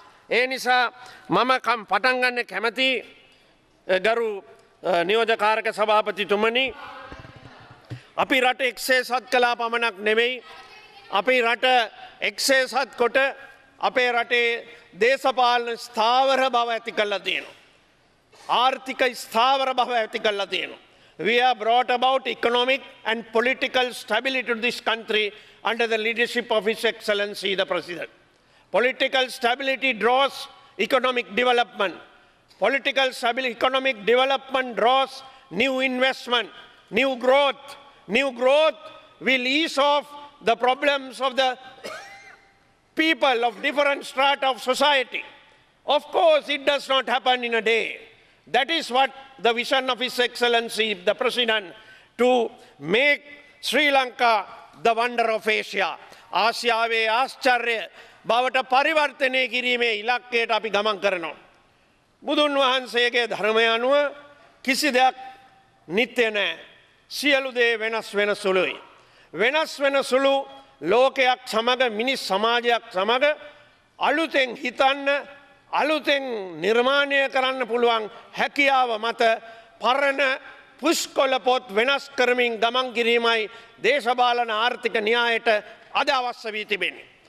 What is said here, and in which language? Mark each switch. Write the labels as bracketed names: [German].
[Sinhala] ඒ නිසා මම කම් පටන් ගන්න කැමති ගරු නියෝජ කාරක සභාපතිතුමනි, අපි රට එක්සේ සත් කලා පමණක් නෙමෙයි, අපි රට එක්සේ සත් කොට අපේ රටේ දේශපාලන ස්ථාවර බව ඇති කරලා තියෙනවා. ආර්ථික ස්ථාවර බව ඇති කරලා තියෙනවා. [English] We have brought about economic and political stability to this country under the leadership of His Excellency the President. Political stability draws economic development. Political stability, economic development draws new investment, new growth. New growth will ease off the problems of the people of different strata of society. Of course, it does not happen in a day. That is what the vision of His Excellency, the President, to make Sri Lanka the wonder of Asia. [Sinhala] ආසියාවේ ආශ්චර්ය බවට පරිවර්තනය කිරීමේ ඉලක්කයට අපි ගමන් කරනවා. බුදුන් වහන්සේගේ ධර්මය අනුව කිසි දෙයක් නිත්‍ය නැහැ. සියලු දේ වෙනස් වෙන සුළුයි. වෙනස් වෙන සුළු ලෝකයක් සමග මිනිස් සමාජයක් සමග අලුතෙන් හිතන්න අලුතෙන් නිර්මාණය කරන්න පුළුවන් හැකියාව මත පරණ පුෂ්කොළ පොත් වෙනස් කරමින් ගමන් කිරීමයි දේශපාලන ආර්ථික න්‍යායට අද අවශ්‍ය වී තිබෙන්නේ.